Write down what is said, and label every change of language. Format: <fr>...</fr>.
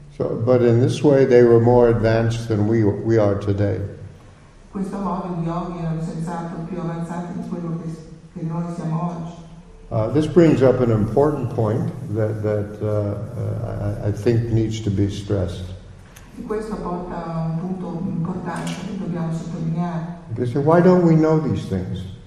<en>But in this way they were more advanced than we are today.</en> <it>In questo modo gli yogi erano senz'altro più avanzati di quello che noi siamo oggi.</it> <en>This brings up an important point that I think needs to be stressed.</en> <it>E questo porta a un punto importante che dobbiamo sottolineare.</it> <en>They say, why don't we know these things?</en>